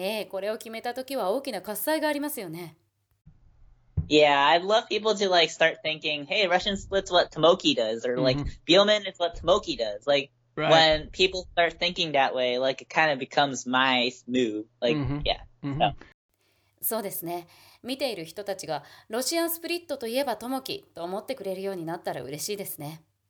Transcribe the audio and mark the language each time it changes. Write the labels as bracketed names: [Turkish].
[Japanese] これを決めた時は大きな喝采がありますよね。 [English] Yeah, I'd love people to like start thinking, hey, Russian split's what Tomoki does, or like, Bielman is what Tomoki does, like, Right. When people start thinking that way, like, it kind of becomes my move. Like, yeah. [Japanese] そうですね。見ている人たちがロシアンスプリットといえばトモキと思ってくれるようになったら嬉しいですね。